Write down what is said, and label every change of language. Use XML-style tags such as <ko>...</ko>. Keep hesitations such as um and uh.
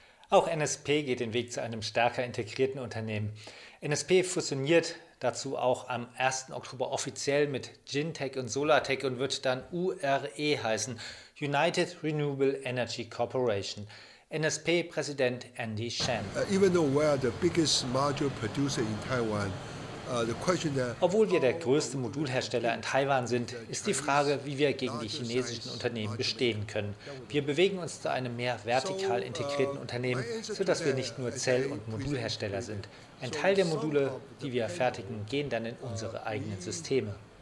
<de>Auch NSP geht den Weg zu einem stärker integrierten Unternehmen. NSP fusioniert dazu auch am 1. Oktober offiziell mit Gintech und Solartech und wird dann URE heißen, United Renewable Energy Corporation. NSP-Präsident Andy Shen.</de> <en>Uh, even though we are the biggest module producer in Taiwan,</en> <de>obwohl wir der größte Modulhersteller in Taiwan sind, ist die Frage, wie wir gegen die chinesischen Unternehmen bestehen können. Wir bewegen uns zu einem mehr vertikal integrierten Unternehmen, sodass wir nicht nur Zell- und Modulhersteller sind. Ein Teil der Module, die wir fertigen, gehen dann in unsere eigenen Systeme.</de>